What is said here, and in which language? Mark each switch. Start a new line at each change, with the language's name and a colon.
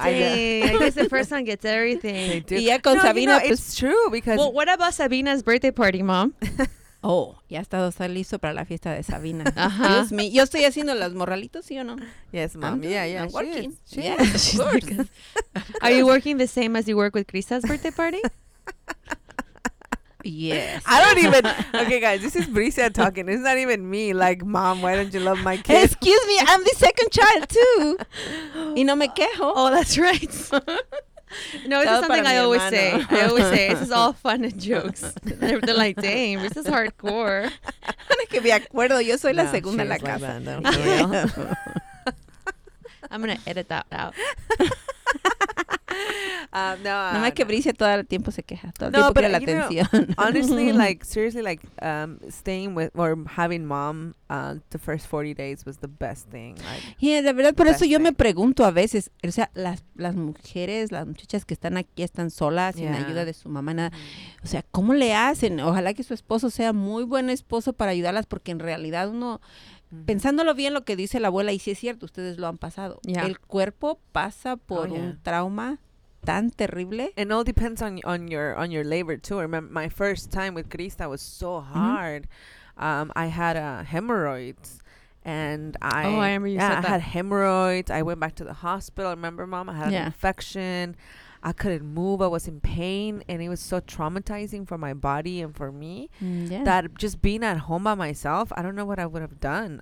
English: dang, I guess the first one gets everything. They do.
Spanish: Y ya con Sabina,
English: you know, it's true because... Well, what about Sabina's birthday party, Mom?
Spanish: Oh, ya está todo listo para la fiesta de Sabina. Dios mío, yo estoy haciendo los morralitos, ¿sí o no?
English: Yes, mom. I'm working. Yeah, of course. Like, are you working the same as you work with Krista's birthday party? Yes. I don't even... Okay, guys, this is Brisa talking. It's not even me. Like, mom, why don't you love my kids? Excuse me, I'm the second child, too.
Spanish: Y no me quejo.
English: Oh, that's right. No, this is something I always say. I always say, this is all fun and jokes. They're like, dang, this is hardcore.
Spanish: No, que me acuerdo, yo soy la segunda en la casa.
English: I'm going to edit that out.
Spanish: No más que Bricia todo el tiempo se queja, todo el tiempo quiere la atención.
English: Honestly, like, seriously, like, staying with or having mom the first 40 days was the best thing. Like,
Spanish: yeah, la verdad, por eso yo me pregunto a veces, o sea, las mujeres, las muchachas que están aquí están solas, sin ayuda de su mamá, nada. O sea, ¿cómo le hacen? Ojalá que su esposo sea muy buen esposo para ayudarlas, porque en realidad uno... Pensándolo bien, lo que dice la abuela, y sí es cierto, ustedes lo han pasado. Yeah. El cuerpo pasa por un trauma tan terrible.
English: And all depends on your labor too. Remember, my first time with Krista was so hard. Mm-hmm. I had hemorrhoids. And I had hemorrhoids. I went back to the hospital. Remember, mom? I had an infection. I couldn't move. I was in pain. And it was so traumatizing for my body and for me that just being at home by myself, I don't know what I would have done.